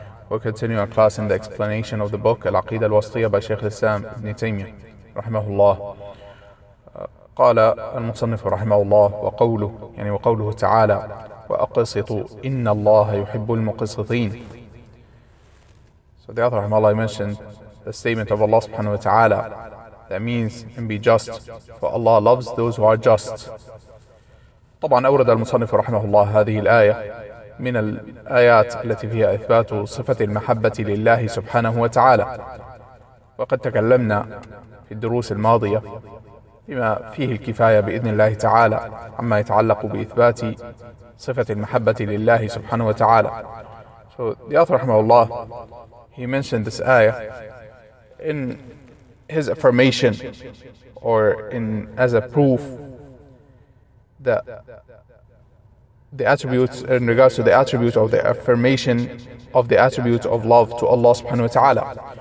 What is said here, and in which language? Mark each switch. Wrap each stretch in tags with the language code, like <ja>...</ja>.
<en>We continue our class in the explanation of the book العقيدة الواسطية by شيخ الإسلام ابن تيمية رحمه الله.</en> <ar>قال المصنف رحمه الله وقوله يعني وقوله تعالى وأقسطوا إن الله يحب المقسطين.</ar> <en>The author, Allah, mentioned the statement of Allah subhanahu wa ta'ala that means and be just, for Allah loves those who are just.</en> <ar>طبعا أورد المصنف رحمه الله هذه الآية من الآيات التي فيها إثبات صفة المحبة لله سبحانه وتعالى. وقد تكلمنا في الدروس الماضية بما فيه الكفاية بإذن الله تعالى عما يتعلق بإثبات صفة المحبة لله سبحانه وتعالى.</ar> <en>So the author, رحمه الله, he mentioned this ayah in his affirmation or in as a proof that the attributes in regards to the attribute of the affirmation of the attribute of love to Allah subhanahu wa ta'ala.</en>